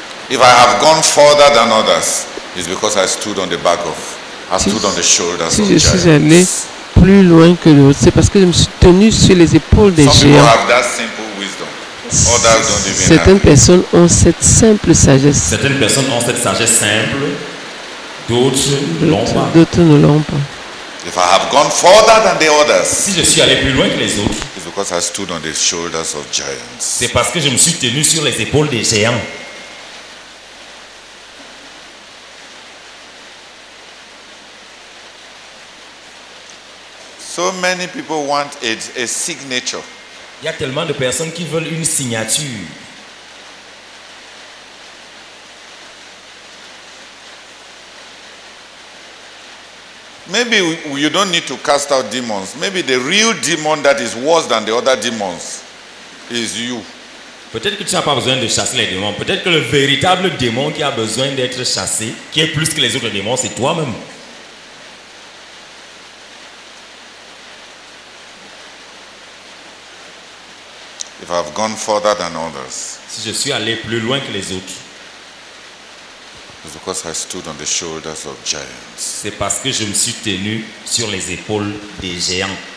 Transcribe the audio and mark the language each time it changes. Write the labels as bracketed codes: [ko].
[en] If I have gone further than others, it's because I stood on the back of, I stood on the shoulders of giants. [fr] Si je suis allé plus loin que l'autre, c'est parce que je me suis tenu sur les épaules des géants. [en] Some people have that simple wisdom. Others don't even have. [fr] Certaines personnes ont cette simple sagesse. Certaines personnes ont cette sagesse simple. D'autres ne l'ont pas. D'autres ne l'ont pas. [en] If I have gone further than the others, [fr] si je suis allé plus loin que les autres, [en] it's because I stood on the shoulders of giants. [fr] C'est parce que je me suis tenu sur les épaules des géants. [en] So many people want a signature. [fr] Il y a tellement de personnes qui veulent une signature. [en] Maybe you don't need to cast out demons. Maybe the real demon that is worse than the other demons is you. [fr] Peut-être que tu n'as pas besoin de chasser les démons. Peut-être que le véritable démon qui a besoin d'être chassé, qui est plus que les autres démons, c'est toi-même. [en] If I've gone further than others, [fr] si je suis allé plus loin que les autres, [en] it's because I stood on the shoulders of giants. [fr] C'est parce que je me suis tenu sur les épaules des géants.